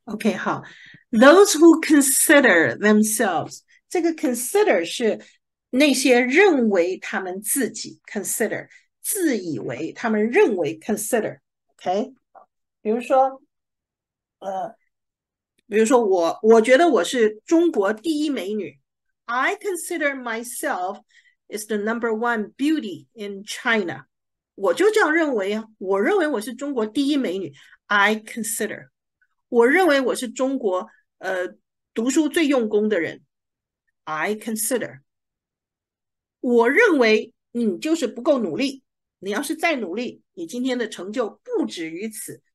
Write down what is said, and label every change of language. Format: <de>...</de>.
<zh>OK，好，</zh> <en>those who consider themselves，</en> <zh>这个 consider 是那些认为他们自己 consider，自以为他们认为 consider。 OK，比如说，我觉得我是中国第一美女。</zh> <en>I consider myself is the number one beauty in China。</en> <zh>我就这样认为啊，我认为我是中国第一美女。</zh> <en>I consider，</en> <zh>我认为我是中国读书最用功的人。</zh> <en>I consider，</en> <zh>我认为你就是不够努力。你要是再努力，你今天的成就不止于此。</zh>